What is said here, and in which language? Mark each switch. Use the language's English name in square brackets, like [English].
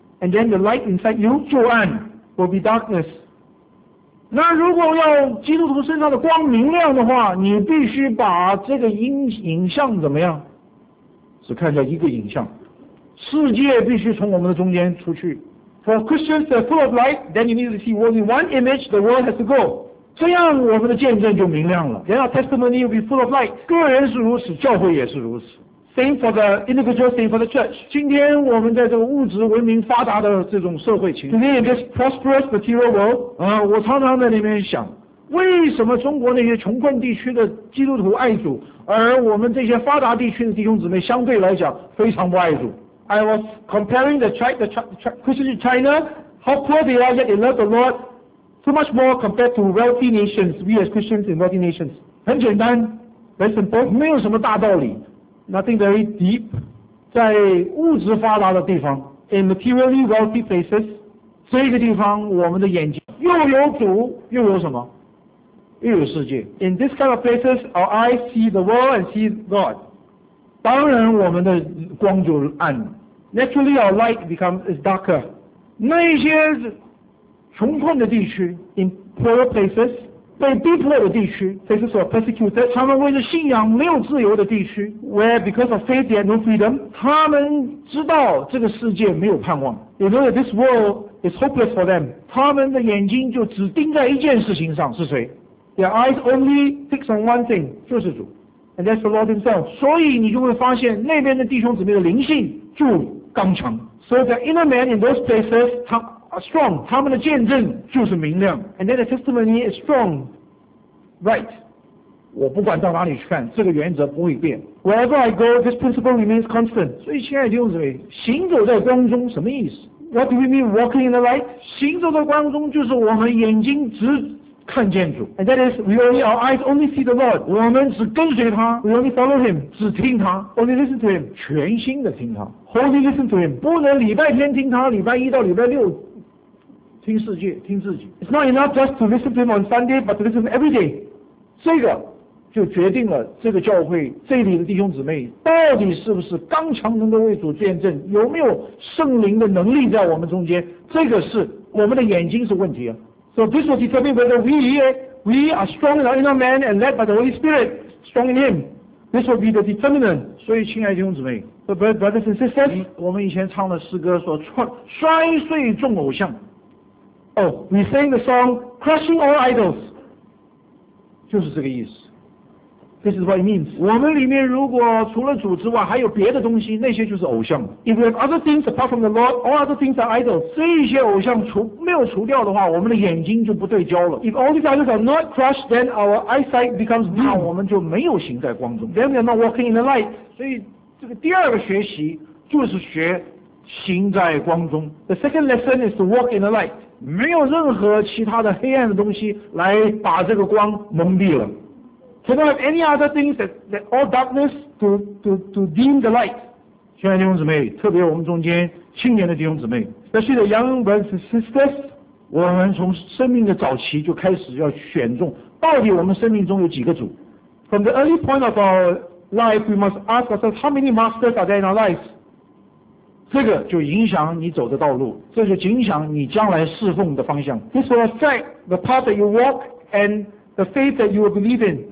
[English] And then the light inside you [Chinese] 就暗 [English] will be darkness. [Chinese] 那如果要基督徒身上的光明亮的话，你必须把这个影像怎么样？只看到一个影像。世界必须从我们的中间出去。 [English] For Christians that are full of light, then you need to see only one image, the world has to go. [Chinese] 这样我们的见证就明亮了。 [English] Then our testimony will be full of light. [Chinese] 个人是如此，教会也是如此。 [English] Same for the individual, same for the church. [Chinese] 今天我们在这个物质文明发达的这种社会情况。 [English] Today in this prosperous material world, [Chinese] 我常常在里面想，为什么中国那些穷困地区的基督徒爱主，而我们这些发达地区的弟兄姊妹相对来讲非常不爱主。 [English] I was comparing the Christians in China, how poor they are, yet they love the Lord so much more compared to wealthy nations, we as Christians in wealthy nations. [Chinese] 很简单， [English] very simple. [Chinese] 没有什么大道理， [English] nothing very deep. [Chinese] 在物质发达的地方， [English] in materially wealthy places, [Chinese] 这个地方我们的眼睛又有主又有什么？又有世界。 [English] In this kind of places, our eyes see the world and see God. [Chinese] 当然我们的光就暗了。 [English] Naturally our light becomes darker. [Chinese] 那些穷困的地区， [English] in poor places, [Chinese] 被逼迫的地区， [English] places who are persecuted, [Chinese] 他们为了信仰没有自由的地区， [English] where because of faith they have no freedom, [Chinese] 他们知道这个世界没有盼望， [English] they know that this world is hopeless for them. [Chinese] 他们的眼睛就只盯在一件事情上，是谁？ [English] Their eyes only fix on one thing, [Chinese] 就是主。 [English] And that's the Lord himself. [Chinese] 所以你就会发现那边的弟兄姊妹的灵性就刚强。 [English] So the inner man in those places are strong. [Chinese] 他们的见证就是明亮。 [English] And then the testimony is strong. Right. [Chinese] 我不管到哪里去看，这个原则不会变。 [English] Wherever I go, this principle remains constant. [Chinese] 所以亲爱的弟兄姊妹，行走在光中什么意思？ [English] What do we mean walking in the light? [Chinese] 行走在光中就是我们眼睛直看见主。 [English] And that is, we only, our eyes only see the Lord. [Chinese] 我们只跟随他。 [English] We only follow him. [Chinese] 只听他。 [English] Only listen to him. [Chinese] 全心的听他。 [English] Only listen to him. [Chinese] 不能礼拜天听他，礼拜一到礼拜六听世界，听自己。 [English] It's not enough just to listen to him on Sunday, but to listen to him every day. [Chinese] 这个就决定了这个教会，这里的弟兄姊妹到底是不是刚强，能够为主见证，有没有圣灵的能力在我们中间，这个是我们的眼睛是问题啊。 [English] So this will determine whether we are strong in our inner man and led by the Holy Spirit, strong in Him. This will be the determinant. [Chinese] 所以亲爱的弟兄姊妹， [English] so brothers and sisters, [Chinese] 我们以前唱的诗歌说摔碎众偶像。 [English] Oh, we sang the song, crushing all idols. [Chinese] 就是这个意思。 [English] This is what it means. [Chinese] 我们里面如果除了主之外还有别的东西，那些就是偶像。 [English] If we have other things apart from the Lord, all other things are idols. [Chinese] 这些偶像没有除掉的话，我们的眼睛就不对焦了。 [English] If all these idols are not crushed, then our eyesight becomes dim. [Chinese] 那我们就没有行在光中。 [English] Then we are not walking in the light. [Chinese] 所以这个第二个学习就是学行在光中。 [English] The second lesson is to walk in the light. [Chinese] 没有任何其他的黑暗的东西来把这个光蒙蔽了。 [English] cannot have any other things that all darkness to dim the light. [Chinese] 亲爱的弟兄姊妹，特别我们中间青年的弟兄姊妹 [English] ，especially the young brothers and sisters， [Chinese] 我们从生命的早期就开始要选中，到底我们生命中有几个主 [English] ？From the early point of our life, we must ask ourselves how many masters are there in our lives。 [Chinese] 这个就影响你走的道路，这就影响你将来侍奉的方向。 [English] This will affect the path that you walk and the faith that you will believe in。